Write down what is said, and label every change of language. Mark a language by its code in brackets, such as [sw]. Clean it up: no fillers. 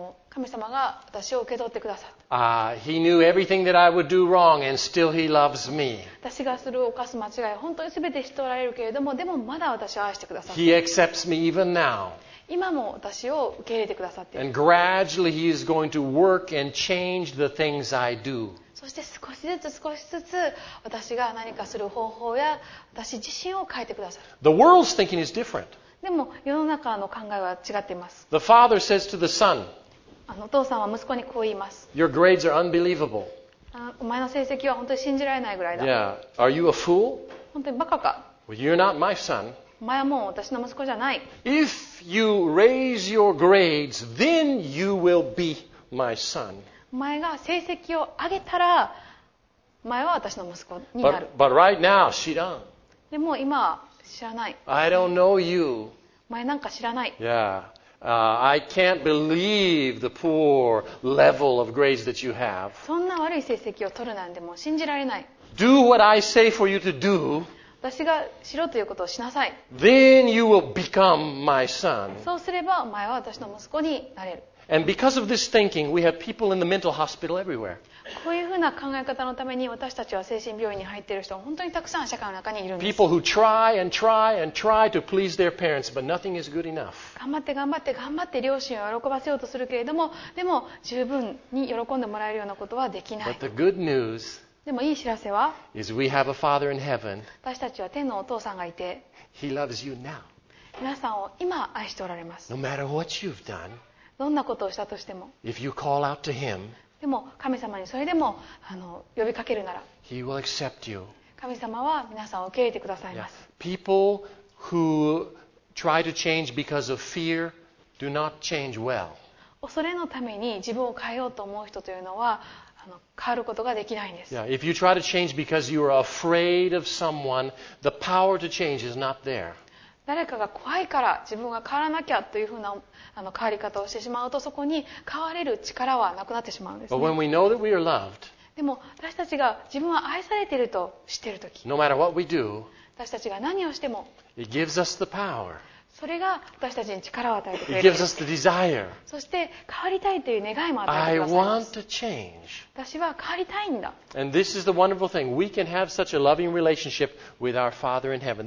[ja] 神様が私を受け取ってくださった。 [en] He knew everything that I would do wrong, and still He loves me. [ja] 私がする犯す間違い、本当にすべて知っておられるけれども、でもまだ私を愛してくださった。 [en] He accepts me even now. [ja] 今も私を受け入れてくださっている。 [en] And gradually He is going to work and change the things I do. [ja] そして少しずつ少しずつ私が何かする方法や私自身を変えてくださる。 [en] The world's thinking is different. [ja] でも世の中の考えは違っています。 [en] The father says to the son, [ja] お父さんは息子にこう言います。 [en] Your grades are unbelievable. [ja] お前の成績は本当に信じられないぐらいだ。 [en] Yeah. Are you a fool? [ja] 本当にバカか。 [en] Well, you're not my son. [ja] お前はもう私の息子じゃない。 [en] If you raise your grades, then you will be my son. [ja] お前が成績を上げたら、お前は私の息子になる。 [en] But right now, she don't. [ja] でも今は知らない。 [en] I don't know you. [ja] 前なんか知らない。 [en] Yeah. I can't believe the poor level of grades that you have. [ja] そんな悪い成績を取るなんてもう信じられない。 [en] Do what I say for you to do. [ja] 私がしろということをしなさい。 [en] Then you will become my son. [ja] そうすればお前は私の息子になれる。 [en] And because of this thinking, we have people in the mental hospital everywhere. [ja] こういうふうな考え方のために私たちは精神病院に入っている人は本当にたくさん社会の中にいるんです。 [en] People who try and try and try to please their parents, but nothing is good enough. [ja] 頑張って頑張って頑張って両親を喜ばせようとするけれども、でも十分に喜んでもらえるようなことはできない。 [en] But the good news. [ja] でもいい知らせは。 [en] Is we have a father in heaven. [ja] 私たちは天のお父さんがいて。 [en] He loves you now. [ja] 皆さんを今愛しておられます。 [en] No matter what you've done. [ja] どんなことをしたとしても、 [en] If you call out to him, [ja] でも神様にそれでも呼びかけるなら、 [en] he will accept you. [ja] 神様は皆さんを受け入れてくださいます。 [en] Yeah. People who try to change because of fear do not change well. [ja] 恐れのために自分を変えようと思う人というのは変わることができないんです。 [en] Yeah. If you try to change because you are afraid of someone, the power to change is not there. [ja] 誰かが怖いから自分が変わらなきゃというふうな変わり方をしてしまうと、そこに変われる力はなくなってしまうんですね。 [en] But when we know that we are loved, [ja] でも私たちが自分は愛されていると知っているとき、 [en] no matter what we do, [ja] 私たちが何をしても、 [en] it gives us the power. [ja] それが私たちに力を与えてくれる。 [en] It gives us the desire. [ja] そして変わりたいという願いも与えてくださいます。 [en] I want to change. [ja] 私は変わりたいんだ。 [en] And this is the wonderful thing. We can have such a loving relationship with our Father in heaven.